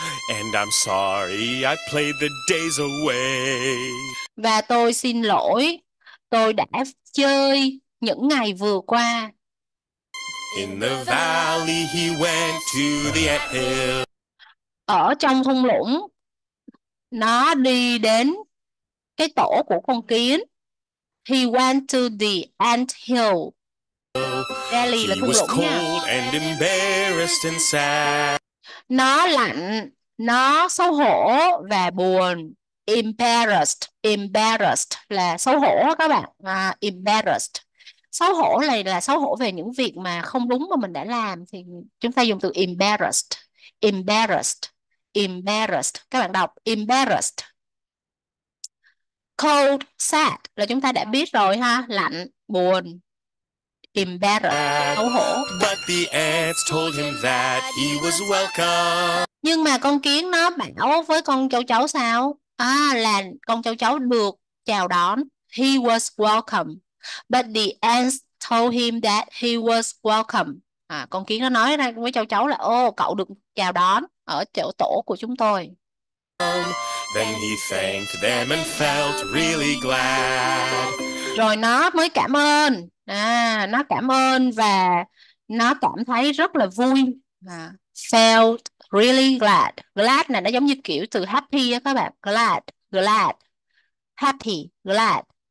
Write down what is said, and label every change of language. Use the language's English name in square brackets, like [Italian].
[English] And I'm sorry I played the days away. [Vietnamese] Và tôi xin lỗi, tôi đã chơi những ngày vừa qua. [English] In the valley he went to the anthill. [Vietnamese] Ở trong thung lũng, nó đi đến cái tổ của con kiến. [English] He went to the anthill. Valley he [Vietnamese] là thung [English] was [Vietnamese] lũng nha. [English] cold and embarrassed and sad. [Vietnamese] Nó lạnh, nó xấu hổ và buồn. Embarrassed, embarrassed là xấu hổ các bạn. Embarrassed. Xấu hổ này là xấu hổ về những việc mà không đúng mà mình đã làm, thì chúng ta dùng từ embarrassed. Embarrassed, embarrassed. Các bạn đọc embarrassed. Cold, sad là chúng ta đã biết rồi ha, lạnh, buồn. Embarrassed, xấu hổ. [English] But the ants told him that he was welcome. [Vietnamese] Nhưng mà con kiến nó bảo với con châu chấu sao? À, là con châu chấu được chào đón. [English] He was welcome. But the ants told him that he was welcome. [Vietnamese] À, con kiến nó nói ra với châu chấu là ô, cậu được chào đón ở chỗ tổ của chúng tôi. [English] Then he thanked them and felt really glad. [Vietnamese] Rồi nó mới cảm ơn. À, nó cảm ơn và nó cảm thấy rất là vui. À, [English] felt really glad. [Vietnamese] Glad này nó giống như kiểu từ happy á các bạn. [English] Glad, glad, happy, glad.